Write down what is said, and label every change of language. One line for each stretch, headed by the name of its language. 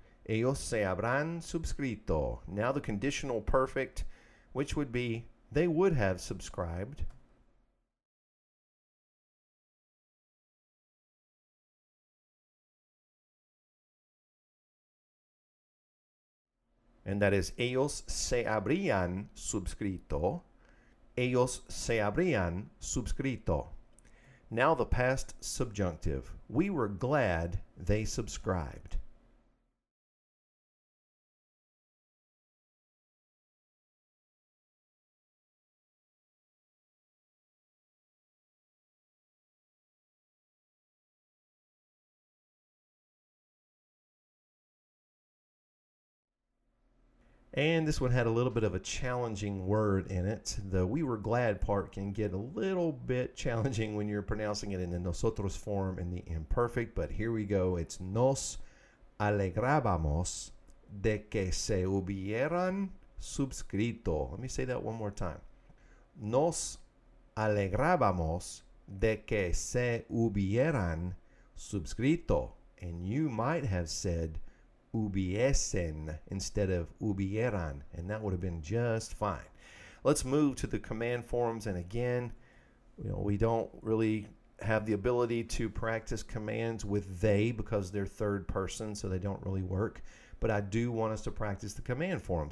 Spanish: Ellos se habrán suscrito.
English: Now the conditional perfect, which would be they would have subscribed.
Spanish: And that is ellos se habrían suscrito. Ellos se habrían suscrito.
English: Now the past subjunctive. We were glad they subscribed. And this one had a little bit of a challenging word in it. The we were glad part can get a little bit challenging when you're pronouncing it in the nosotros form in the imperfect. But here we go.
Spanish: It's nos alegrábamos de que se hubieran suscrito.
English: Let me say that one more time.
Spanish: Nos alegrábamos de que se hubieran suscrito.
English: And you might have said hubiesen instead of hubieran, and that would have been just fine. Let's move to the command forms, and again, you know, we don't really have the ability to practice commands with they because they're third person, so they don't really work, but I do want us to practice the command form.